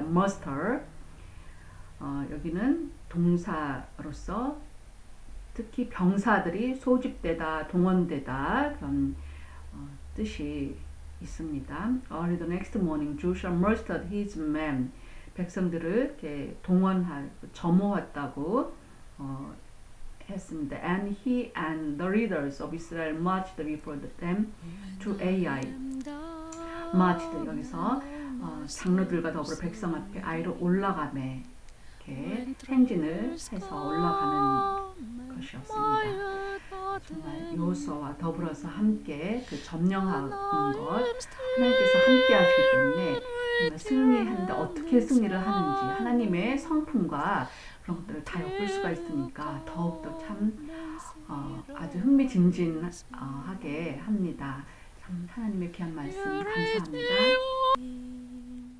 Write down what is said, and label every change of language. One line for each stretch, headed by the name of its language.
Korean: Muster 여기는 동사로서 특히 병사들이 소집되다, 동원되다 그런 뜻이 있습니다.
English: Early the next morning, Joshua mustered his men.
Korean: 백성들을 이렇게 동원할 점호했다고 했습니다.
English: And he and the leaders of Israel marched before them to Ai.
Korean: marched 여기서 장로들과 더불어 백성 앞에 아이로 올라가매 이렇게 행진을 해서 올라가는 것이었습니다. 정말 여호수아와 더불어서 함께 그 점령하는 것 하나님께서 함께 하시기 때문에 승리하는데 어떻게 승리를 하는지 하나님의 성품과 그런 것들을 다 엿볼 수가 있으니까 더욱더 참 아주 흥미진진하게 합니다. 참 하나님의 귀한 말씀 감사합니다.